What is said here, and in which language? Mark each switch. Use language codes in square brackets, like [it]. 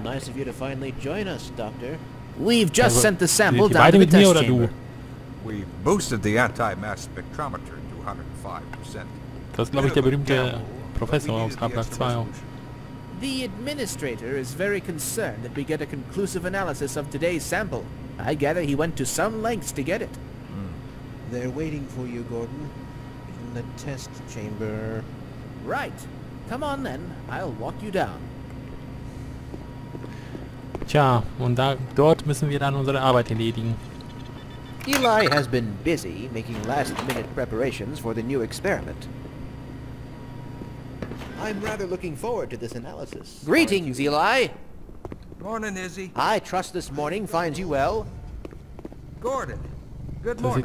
[en] Nice of you to finally join us, Doctor. We've just sent the sample down to the test chamber. We've boosted the anti-mass spectrometer to 105%. [de] Das ist, glaube ich, der berühmte Professor aus Half-Life 2 auch. [en] The administrator is very concerned that we get a conclusive analysis of today's sample. I gather he went to some lengths to get it. They're waiting for you, Gordon, in the test chamber. Right. Come on then, I'll walk you down. [de] Tja, und da dort müssen wir dann unsere Arbeit erledigen. [en] Eli has been busy making last minute preparations for the new experiment. I'm rather looking forward to this analysis. Greetings, Eli. Morning, Izzy. I trust this morning finds you well. Gordon. Good morning.